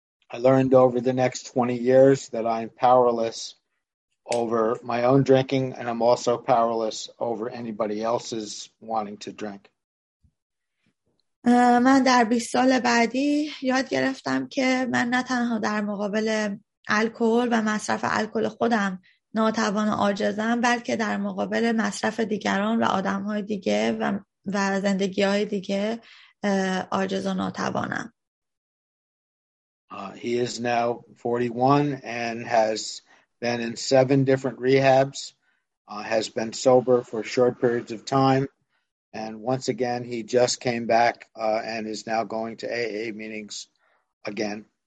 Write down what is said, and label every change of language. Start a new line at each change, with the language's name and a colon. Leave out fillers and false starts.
English: I learned over the next 20 years that I'm powerless over my own drinking and I'm also powerless over anybody else's wanting to drink.
Persian: من در 20 سال بعدی یاد گرفتم که من نه تنها در مقابل الکل و مصرف الکل خودم ناتوان و عاجزم، بلکه در مقابل مصرف دیگران و آدم‌های دیگه و زندگی‌های دیگه عاجز و ناتوانم.
English: He is now 41 and has been in 7 different rehabs, has been sober for short periods of time. And once again, he just came back and is now going to AA meetings again.